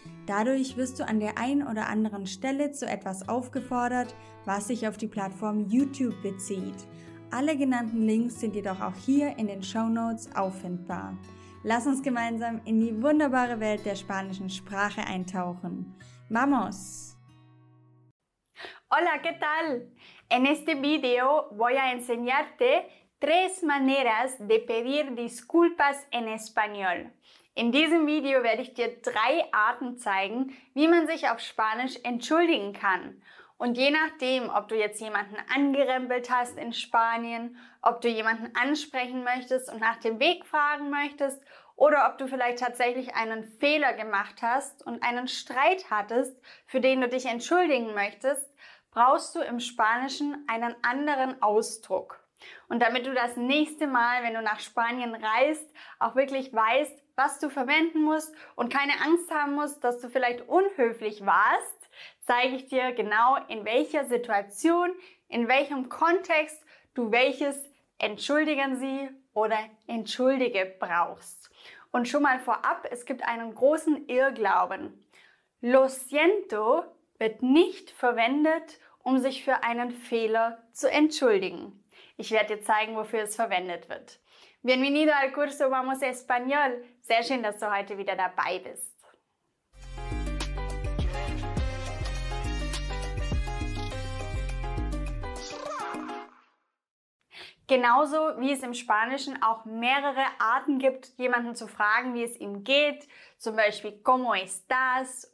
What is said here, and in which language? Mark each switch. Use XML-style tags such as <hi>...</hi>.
<de>Dadurch wirst du an der einen oder anderen Stelle zu etwas aufgefordert, was sich auf die Plattform YouTube bezieht. Alle genannten Links sind jedoch auch hier in den Shownotes auffindbar. Lass uns gemeinsam in die wunderbare Welt der spanischen Sprache eintauchen.</de> <es>¡Vamos! Hola, ¿qué tal? En este video voy a enseñarte tres maneras de pedir disculpas en español.</es> <de>In diesem Video werde ich dir drei Arten zeigen, wie man sich auf Spanisch entschuldigen kann. Und je nachdem, ob du jetzt jemanden angerempelt hast in Spanien, ob du jemanden ansprechen möchtest und nach dem Weg fragen möchtest oder ob du vielleicht tatsächlich einen Fehler gemacht hast und einen Streit hattest, für den du dich entschuldigen möchtest, brauchst du im Spanischen einen anderen Ausdruck. Und damit du das nächste Mal, wenn du nach Spanien reist, auch wirklich weißt, was du verwenden musst und keine Angst haben musst, dass du vielleicht unhöflich warst, zeige ich dir genau, in welcher Situation, in welchem Kontext du welches Entschuldigen Sie oder Entschuldige brauchst. Und schon mal vorab, es gibt einen großen Irrglauben.</de> <es>Lo siento</es> <de>wird nicht verwendet, um sich für einen Fehler zu entschuldigen. Ich werde dir zeigen, wofür es verwendet wird.</de> <es>Bienvenido al curso Vamos Español.</es> <de>Sehr schön, dass du heute wieder dabei bist. Genauso wie es im Spanischen auch mehrere Arten gibt, jemanden zu fragen, wie es ihm geht, zum Beispiel</de> <es>¿Cómo estás?</es>